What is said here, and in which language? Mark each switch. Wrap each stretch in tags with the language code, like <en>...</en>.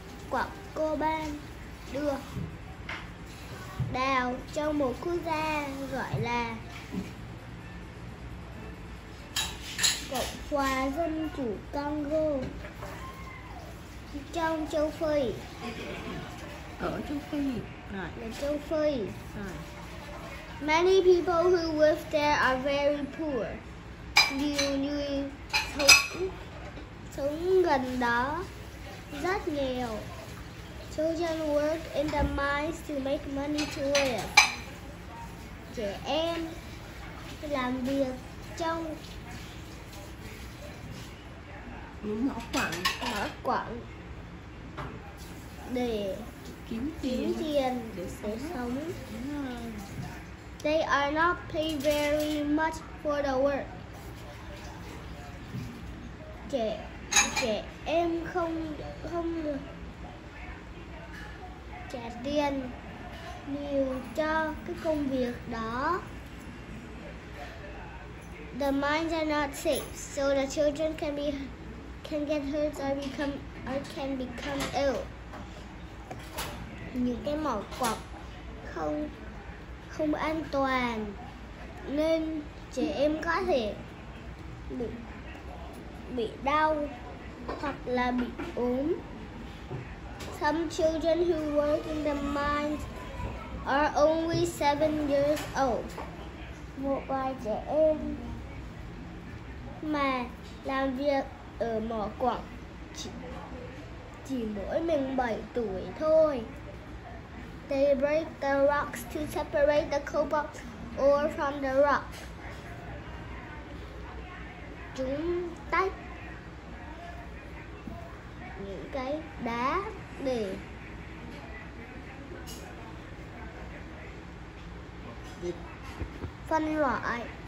<vi>Quả cobalt được đào trong một quốc gia gọi là Cộng hòa Dân chủ Congo trong châu Phi. Ở châu Phi.</vi> <en>Many people who live there are very poor.</en> <vi>Nhiều người sống gần đó rất nghèo.</vi> <en>Children work in the mines to make money to live.</en> <vi>Trẻ em làm việc trong mỏ quặng để kiếm tiền để sống.</vi> <en>They are not paid very much for the work.</en> <vi>Trẻ em không được trả tiền nhiều cho cái công việc đó.</vi> <en>The mines are not safe, so the children can get hurt or can become ill.</en> <vi>Những cái mỏ quặng không an toàn nên trẻ em có thể bị đau hoặc là bị ốm.</vi> <en>Some children who work in the mines are only 7 years old.</en> <vi>Một vài trẻ em mà làm việc ở mỏ quặng chỉ mỗi mình 7 tuổi thôi.</vi> <en>They break the rocks to separate the cobalt ore from the rock.</en> <vi>Chúng tách những cái đá để phân loại.</vi>